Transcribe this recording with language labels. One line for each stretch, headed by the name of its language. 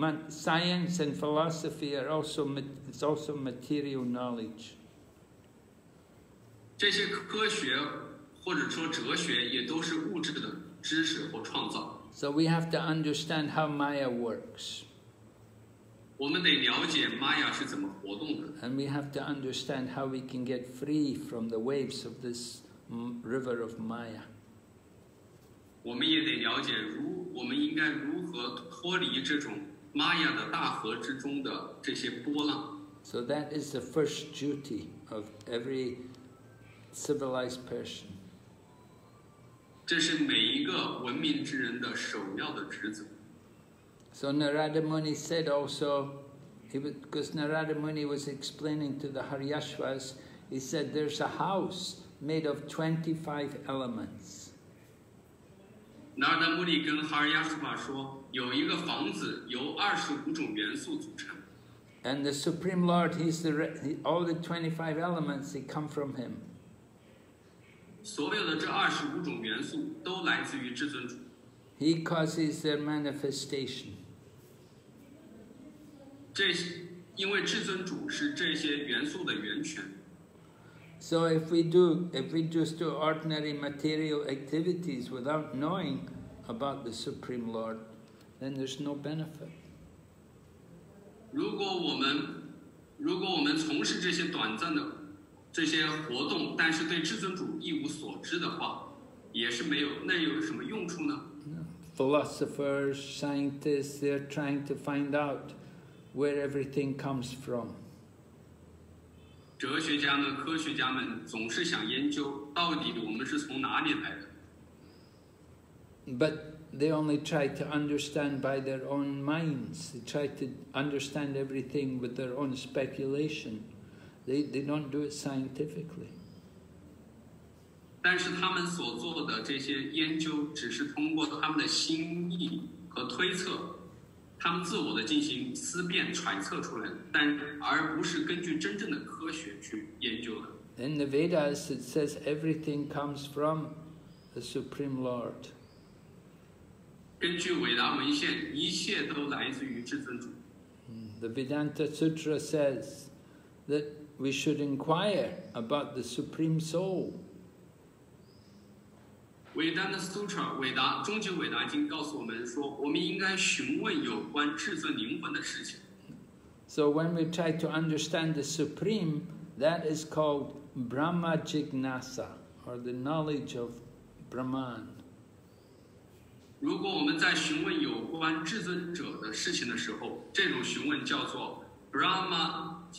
English: Science and philosophy are also, it's also material knowledge.
Chinese: 这些科学或者说哲学也都是物质的知识或创造。
English: So we have to understand how Maya works.
Chinese: 我们得了解 Maya 是怎么活动的。
English: And we have to understand how we can get free from the waves of this river of Maya.
Chinese: 我们也得了解我们应该如何脱离这种 Maya 的大河之中的这些波浪。
English: So that is the first duty of every civilized person.
Chinese: 这是每一个文明之人的首要的职责。
English: So Narada Muni said also, because Narada Muni was explaining to the Haryashvas, he said, there's a house made of 25 elements.
Chinese: Narada Muni 跟 Haryashva 说，有一个房子由25种元素组成。
English: And the Supreme Lord, all the 25 elements, they come from him.
Chinese: 所有的这25种元素都来自于至尊主。
English: He causes their manifestation.
Chinese: 这因为至尊主是这些元素的源泉。
English: So if we just do ordinary material activities without knowing about the Supreme Lord, then there's no benefit.
Chinese: 如果我们从事这些短暂的这些活动，但是对至尊主一无所知的话，也是没有，那有什么用处呢？
English: Philosophers, scientists, they're trying to find out where everything comes from.
Chinese: 哲学家们、科学家们总是想研究到底我们是从哪里来的。
English: But they only try to understand by their own minds. They try to understand everything with their own speculation. They don't do it scientifically.
Chinese: 但是他们所做的这些研究只是通过他们的心意和推测，他们自我的进行思辨揣测出来，但而不是根据真正的科学去研究的。
English: In the Vedas, it says everything comes from the Supreme Lord.
Chinese: 根据伟达文献，一切都来自于至尊主。
English: The Vedanta Sutra says that. We should inquire about the Supreme Soul.
Chinese: Vedanta Sutra, 伟达终极伟达经告诉我们说，我们应该询问有关至尊灵魂的事情。
English: So when we try to understand the Supreme, that is called Brahma Jignasa, or the knowledge of Brahman.
Chinese: 如果我们在询问有关至尊者的事情的时候，这种询问叫做 Brahma.